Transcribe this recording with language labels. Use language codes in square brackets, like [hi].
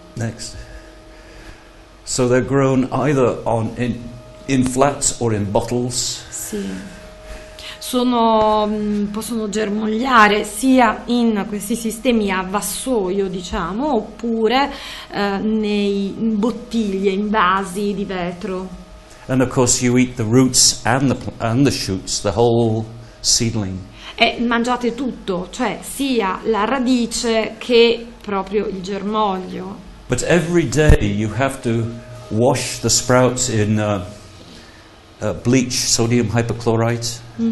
[en] Next. So they're grown either in flats or in bottles. [it] Sì. Possono germogliare sia in questi sistemi a vassoio, diciamo, oppure in bottiglie, in vasi di vetro. [en] And of course you eat the roots and the shoots, the whole seedling. [it] E mangiate tutto, cioè sia la radice che proprio il germoglio. [en] But every day you have to wash the sprouts in bleach, sodium hypochlorite.